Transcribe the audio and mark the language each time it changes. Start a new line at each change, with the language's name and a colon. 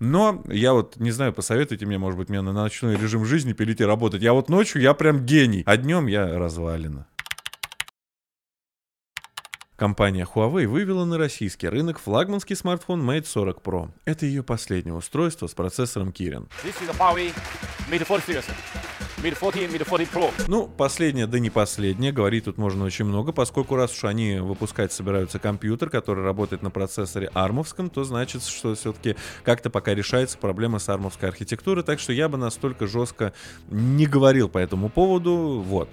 Russian: Но я вот, не знаю, посоветуйте мне, может быть, мне на ночной режим жизни перейти работать. Я вот ночью, я прям гений, а днем я развалина. Компания Huawei вывела на российский рынок флагманский смартфон Mate 40 Pro. Это ее последнее устройство с процессором Kirin.
English: This is a Huawei Mate 40 series.
Russian: Mate 40 и Mate 40 Pro. Ну, последнее, да не последнее, говорить тут можно очень много, поскольку раз уж они выпускать собираются компьютер, который работает на процессоре армовском, то значит, что все-таки как-то пока решается проблема с армовской архитектурой, так что я бы настолько жестко не говорил по этому поводу, вот.